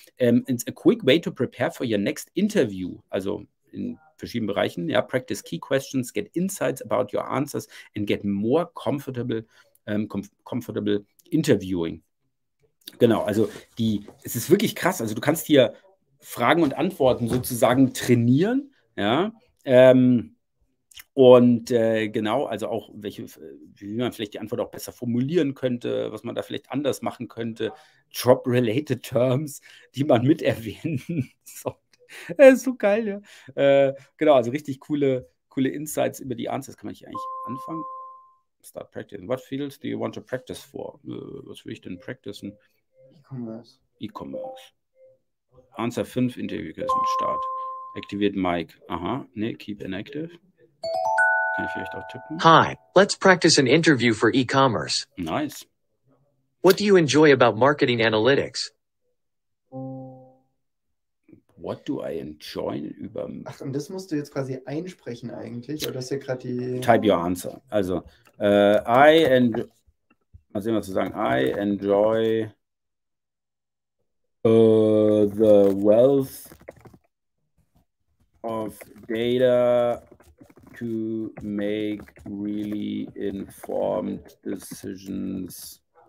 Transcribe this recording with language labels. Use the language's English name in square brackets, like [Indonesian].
[English] It's a quick way to prepare for your next interview. [German] Also in verschiedenen Bereichen. [English] Ja, practice key questions, get insights about your answers and get more comfortable interviewing. [German] Genau, also es ist wirklich krass. Also du kannst hier Fragen und Antworten sozusagen trainieren, ja. Und genau, also auch, wie man vielleicht die Antwort auch besser formulieren könnte, was man da vielleicht anders machen könnte, Job-related Terms, die man mit erwähnen sollte. Ist so geil, ja. Genau, also richtig coole Insights über die Answers. Kann man hier eigentlich anfangen? [English] Start practicing. What fields do you want to practice for? [German] Was will ich denn practicen? [English] E-Commerce. Answer 5, Interview Question, Start. Activate Mic. Aha, ne, keep inactive. Hi, let's practice an interview for e-commerce. Nice. What do you enjoy about marketing analytics? What do I enjoy über... [German] Ach, und das musst du jetzt quasi einsprechen eigentlich, oder ist ja gerade die... [English] Type your answer. [German] Also, mal sehen, was zu sagen. [English] I enjoy the wealth of data to make really informed decisions.